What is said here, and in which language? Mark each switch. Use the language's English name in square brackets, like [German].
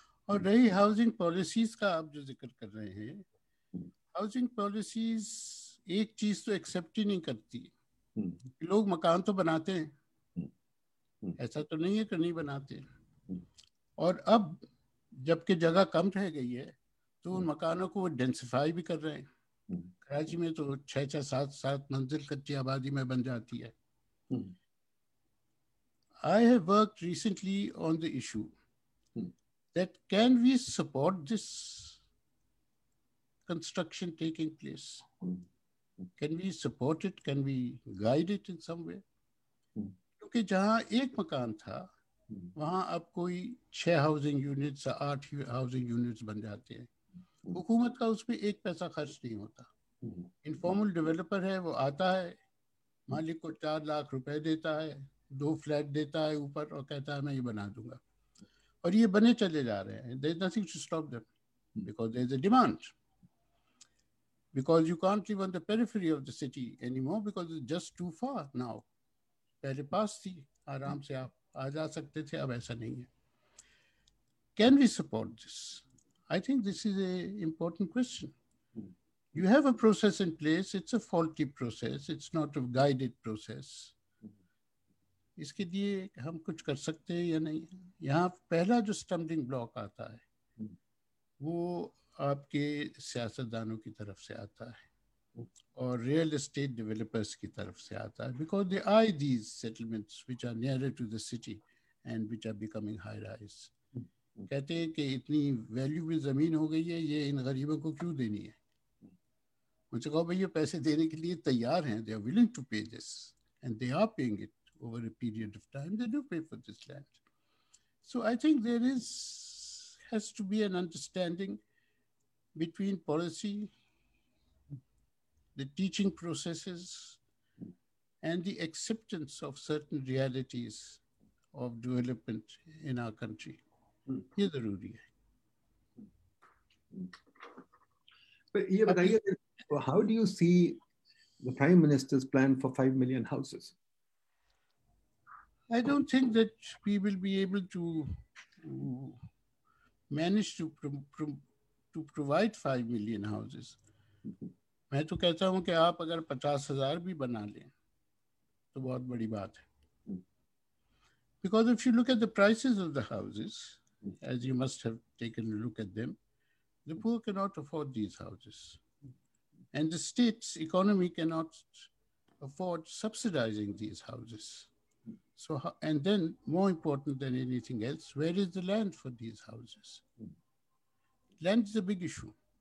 [Hindi] और रही housing policies का आप जो जिक्र कर रहे हैं, हाउसिंग पॉलिसीज एक चीज तो एक्सेप्ट ही नहीं करती, लोग मकान तो बनाते हैं, ऐसा तो नहीं है कि नहीं बनाते. और अब जबकि जगह कम रह गई है तो उन मकानों को वो डेंसिफाई भी कर रहे हैं. कराची में तो 6-7 मंजिल कच्ची आबादी में बन जाती है. [English] I have worked recently on the issue that can we support this construction taking place? Can we support it? Can we guide it in some way? [Hindi] क्योंकि जहां एक मकान था वहां अब कोई 6 housing units, 8 housing units बन जाते हैं. हुकूमत का उसमें एक पैसा खर्च नहीं होता. इनफॉर्मल डेवलपर है, वो आता है, मालिक को 4 लाख रुपए देता है, 2 फ्लैट देता है ऊपर, और कहता है मैं ये बना दूंगा, और ये बने चले जा रहे हैं. There is nothing to stop them because there is a demand. [English] because you can't live on the periphery of the city anymore because it's just too far now. [Hindi] पहले पास थी आराम से आप आ जा सकते थे अब ऐसा नहीं है. [English] Can we support this? I think this is an important question. You have a process in place. It's a faulty process. It's not a guided process. [Hindi] इसके लिए हम कुछ कर सकते हैं या नहीं? यहाँ पहला जो stumbling block आता है वो आपके सियासतदानों की तरफ से आता है और रियल एस्टेट डेवलपर्स की तरफ से आता है [English] Because they I these settlements which are nearer to the city and which are becoming high rise. [Hindi] कहते हैं कि इतनी वैल्यू भी ज़मीन हो गई है ये इन गरीबों को क्यों देनी है. मुझे कहो भाई ये पैसे देने के लिए तैयार हैं. [English] They are willing to pay this and they are paying it over a period of time. They do pay for this land. So I think there is has to be an understanding between policy, the teaching processes, and the acceptance of certain realities of development in our country. [Hindi] Hmm. Yeh zaruri hai. [English] But [Hindi] yeh bataiye, [English] how do you see the Prime Minister's plan for 5 million houses? I don't think that we will be able to manage to to provide 5 million houses. [Hindi] मैं तो कहता हूँ कि आप अगर 50,000 भी बना लें तो बहुत बड़ी बात है. [English] Because if you look at the prices of the houses, as you must have taken a look at them, the poor cannot afford these houses. And the state's economy cannot afford subsidizing these houses. So, and then more important than anything else, where is the land for these houses? Land is a big issue.